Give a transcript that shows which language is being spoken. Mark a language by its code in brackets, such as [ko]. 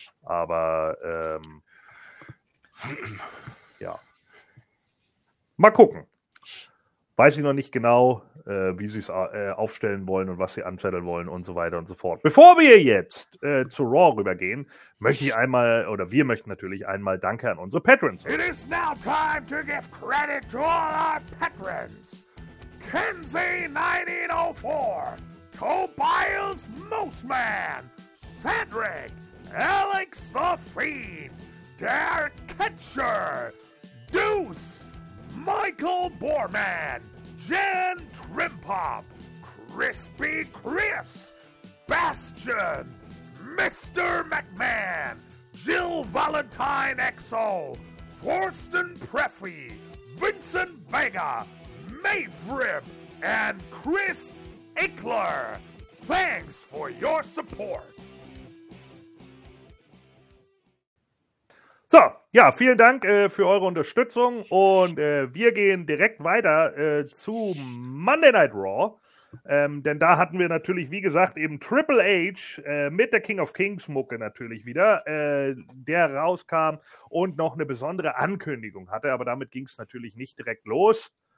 [de] Aber ja. Mal gucken. weiß ich noch nicht genau, wie sie es aufstellen wollen und was sie anzetteln wollen und so weiter und so fort. Bevor wir jetzt zu Raw rübergehen, möchten wir natürlich einmal Danke an unsere Patrons. [en] It is now time to give credit to all our Patrons. Kenzie1904, Tobias Moseman, Cedric, Alex the Fiend, Dare Ketcher, Deuce, Michael Borman, Jen Trimpop, Crispy Chris, Bastion, Mr. McMahon, Jill Valentine XO, Forsten Preffy, Vincent Vega, Mavrip, and Chris Ickler. Thanks for your support. [de] So, ja, vielen Dank für eure Unterstützung und wir gehen direkt weiter zu Monday Night Raw, denn da hatten wir natürlich, wie gesagt, eben Triple H mit der King of Kings Mucke natürlich wieder, der rauskam und noch eine besondere Ankündigung hatte, aber damit ging es natürlich nicht direkt los.